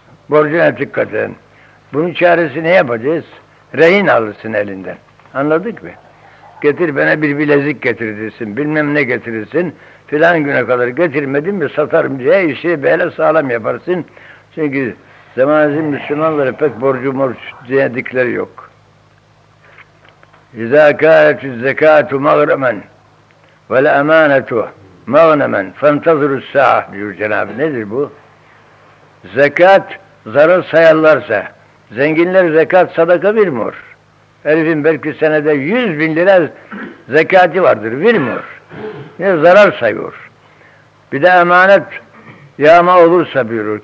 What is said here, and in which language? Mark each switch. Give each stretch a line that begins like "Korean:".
Turkish: Borcuna dikkat edin. Bunun çaresi ne yapacağız? Rehin alırsın elinden. Anladık mı? Getir bana bir bilezik getirirsin, bilmem ne getirirsin. Filan güne kadar getirmedin mi satarım diye işi böyle sağlam yaparsın. Çünkü zamanımızın Müslümanları pek borcu morcu diye dikleri yok.
Arabic: اِذَا كَالَتُ الزَّكَاتُ مَغْرَمًا وَالْاَمَانَةُ مَغْنَمًا فَانْتَظُرُ السَّاعَةُ
Turkish: diyor Cenab-ı. Nedir bu? Zekat zarar sayarlarsa, zenginler zekat sadaka vermiyor. Herifin belki senede 100 bin lira zekati vardır, vermiyor. Ne zarar sayıyor. Bir de emanet yağma olursa buyurur.